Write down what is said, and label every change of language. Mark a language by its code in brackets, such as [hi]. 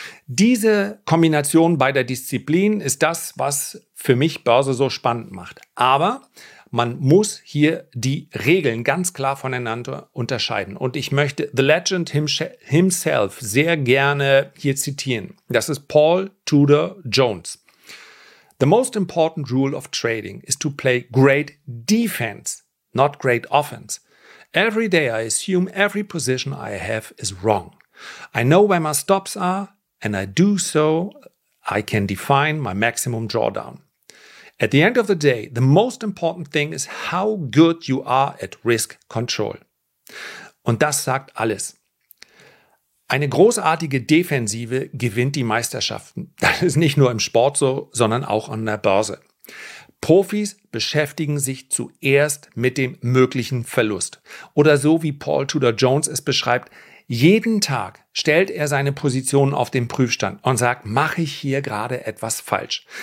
[de] Diese Kombination beider Disziplinen ist das, was für mich Börse so spannend macht. Aber man muss hier die Regeln ganz klar voneinander unterscheiden. Und ich möchte [en] The Legend himself [de] sehr gerne hier zitieren. Das ist Paul Tudor Jones. [en] The most important rule of trading is to play great defense, not great offense. Every day I assume every position I have is wrong. I know where my stops are. And I do so, I can define my maximum drawdown. At the end of the day, the most important thing is how good you are at risk control. [de] Und das sagt alles. Eine großartige Defensive gewinnt die Meisterschaften. Das ist nicht nur im Sport so, sondern auch an der Börse. Profis beschäftigen sich zuerst mit dem möglichen Verlust. Oder so wie Paul Tudor Jones es beschreibt, jeden Tag stellt er seine Positionen auf den Prüfstand und sagt, mache ich hier gerade etwas falsch?